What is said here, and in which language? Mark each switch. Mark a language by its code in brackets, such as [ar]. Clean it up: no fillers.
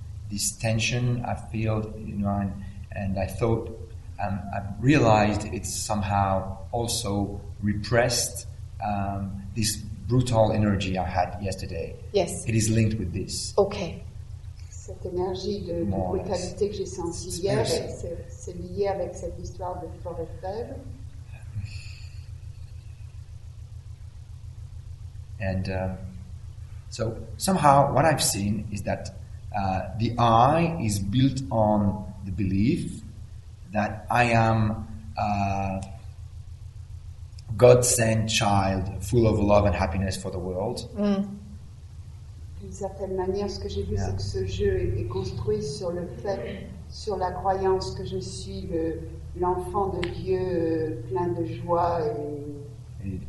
[en] This tension I feel, you know, and I thought, I realized it's somehow also repressed, this brutal energy I had yesterday. Yes. It is linked with this. Okay. [fr] Cette énergie de brutalité que j'ai sentie hier, c'est lié avec cette histoire de fort et faible. [en] And so somehow what I've seen is that the I is built on the belief that I am a God-sent child full of love and happiness for the world. Mm. [fr] D'une certaine manière, ce que j'ai vu, yeah, c'est que ce jeu est construit sur le fait, sur la croyance que je suis l'enfant de Dieu plein de joie et